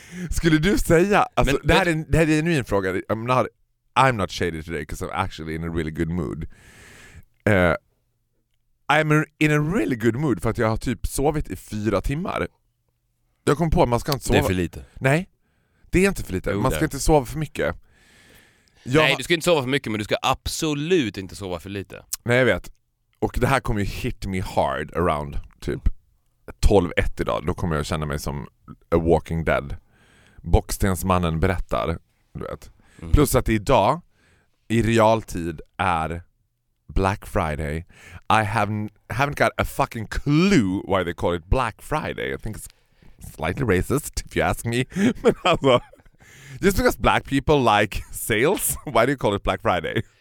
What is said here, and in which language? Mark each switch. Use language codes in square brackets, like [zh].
[sv] Skulle du säga, alltså, men, det här är en genuin fråga. [en] I'm not shady today because I'm actually in a really good mood. I'm in a really good mood [sv] för att jag har typ sovit i 4 timmar. Jag kom på att man ska inte sova. Det är för lite. Nej, det är inte för lite. Man ska inte sova för mycket. Nej, du ska inte sova för mycket, men du ska absolut inte sova för lite. Nej, jag vet. Och det här kommer ju [en] hit me hard around [sv] typ 12:01 idag. Då kommer jag känna mig som [en] a walking dead. [sv] Boxstensmannen berättar, du vet. Mm. Plus att idag, i realtid, är Black Friday. [en] I haven't got a fucking clue why they call it Black Friday. I think it's slightly racist, if you ask me. [sv] Men alltså... [en] Just because black people like sales, why do you call it Black Friday?